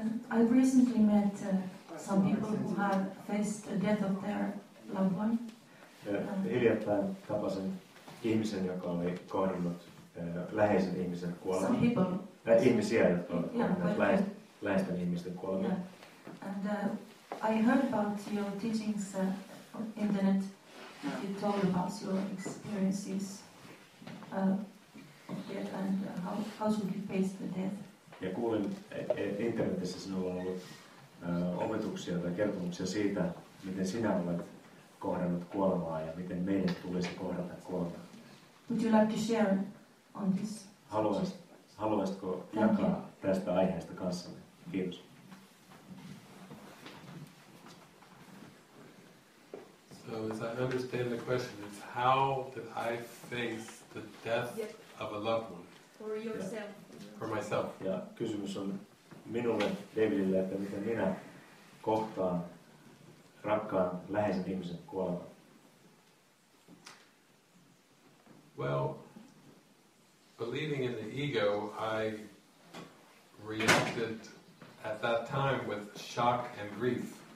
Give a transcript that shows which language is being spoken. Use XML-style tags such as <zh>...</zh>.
<en>I recently met some people who had faced the death of their loved one.</en> <fi>Hiljattain tapasin ihmisen, joka oli kohdannut läheisen ihmisen kuolemaa.</fi> <en>Some people.</en> <fi>Ihmisiä, jotka olivat läheisten ihmisten kuolemaa. Yeah.</fi> <en>And I heard about your teachings on the internet. You told about your experiences. Yeah, and how how should we face the death?</en> <fi>Ja kuulin internetissä sinulla on ollut opetuksia tai kertomuksia siitä, miten sinä olet kohdannut kuolemaa ja miten meidän tulisi kohdata kuolemaa.</fi> <en>Would you like to share on this?</en> <fi>Haluaisitko jakaa tästä aiheesta kanssamme? Kiitos.</fi> <en>So as I understand the question, it's how did I face the death of a loved one? For yourself. Yeah. For myself.</en> <fi>Ja kysymys on minulle, Davidille, että miten minä kohtaan rakkaan läheisen ihmisen kuoleman.</fi> <en>Well, believing in the ego, I reacted at that time with shock and grief.</en>